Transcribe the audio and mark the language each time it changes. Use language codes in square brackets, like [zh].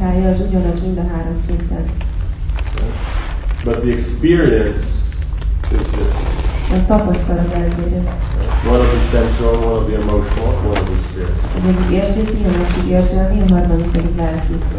[hu] az ugyanaz mind a három szinten. [en] But the experience is different. [hu] A tapasztalat eltérő. [en] One of the sensual, one of the emotional, one of the spiritual. [hu] Az egyik érzéki, a másik érzelmi, a harmadik pedig lelki.